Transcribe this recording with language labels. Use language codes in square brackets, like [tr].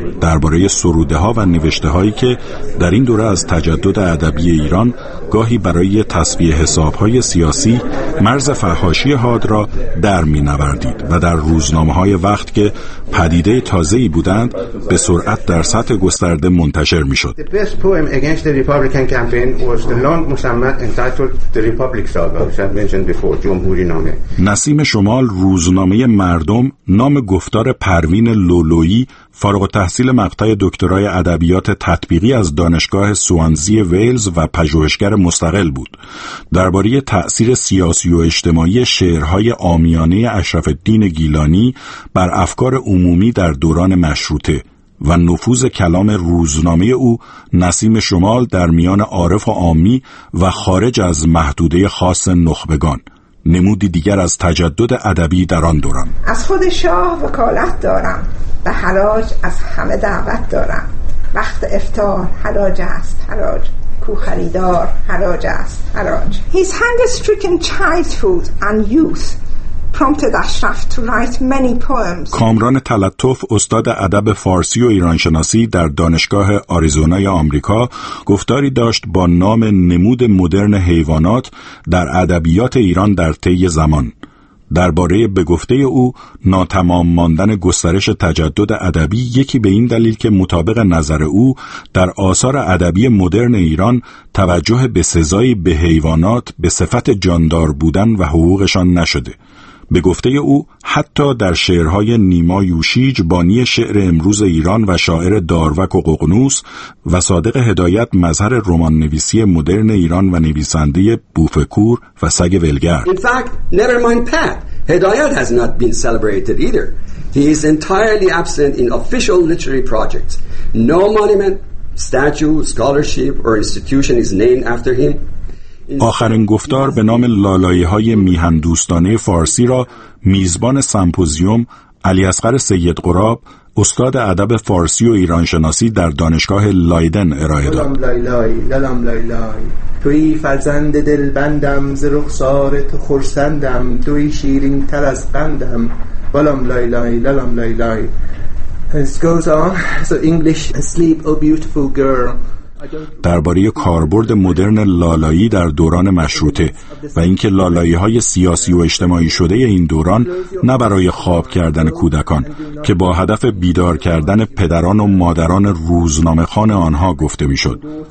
[fa] درباره سروده ها و نوشته هایی که در این دوره از تجدد ادبی ایران گاهی برای تسویه حساب های سیاسی مرز فحاشی حاد را در می نوردید و در روزنامه های وقت که پدیده تازه‌ای بودند به سرعت در سطح گسترده منتشر میشد. [en] The best poem against the Republican campaign was the long musannad entitled The Republic Saga, which I mentioned before, جمهوری نامه. [fa] نسیم شمال، روزنامه مردم، نام گفتار پروین لولویی، فارغ التحصیل مقطع دکترای ادبیات تطبیقی از دانشگاه سوانزی ویلز و پژوهشگر مستقل بود. درباره تأثیر سیاسی و اجتماعی شعرهای عامیانه اشرف الدین گیلانی بر افکار عمومی در دوران مشروطه و نفوذ کلام روزنامه او نسیم شمال در میان عارف و عامی و خارج از محدوده خاص نخبگان، نمودی دیگر از تجدد ادبی در آن دوران. از خود شاه وکالت دارم، به حراج از همه دعوت دارم. وقت افطار حراج است، حراج. کو خریدار حراج است، حراج. [en] His hunger stricken childhood and youth prompted Ashraf to write many poems. [fa] کامران تلطف، استاد ادب فارسی و ایرانشناسی در دانشگاه آریزونای آمریکا، گفتاری داشت با نام نمود مدرن حیوانات در ادبیات ایران در طی زمان. درباره به گفته او ناتمام ماندن گسترش تجدد ادبی، یکی به این دلیل که مطابق نظر او در آثار ادبی مدرن ایران توجه به سزایی به حیوانات به صفت جاندار بودن و حقوقشان نشده. به گفته او حتی در شعرهای نیما یوشیج، بانی شعر امروز ایران و شاعر داروک و ققنوس و صادق هدایت، مظهر رمان نویسی مدرن ایران و نویسنده بوفکور و سگ ولگرد. [en] In fact, never mind Pat. Hedayat has not been celebrated either. He is entirely absent in official literary projects. No monument, statue, scholarship or institution is named after him. [fa] آخرین گفتار به نام لالایی‌های میهن دوستانه فارسی را میزبان سمپوزیوم علی اصغر سید قراب، استاد ادب فارسی و ایرانشناسی در دانشگاه لایدن ارائه داد. لالام لای لای، توی فرزند دلبندم، ز رخسار تو خرسندم، توی شیرین تر از قندم. لالام لای لای، لالام لای لای. [en] This goes on. So English, sleep, oh beautiful girl. [fa] درباره کاربرد مدرن لالایی در دوران مشروطه و اینکه لالایی‌های سیاسی و اجتماعی شده این دوران نه برای خواب کردن کودکان که با هدف بیدار کردن پدران و مادران روزنامه‌خوان آنها گفته می‌شد.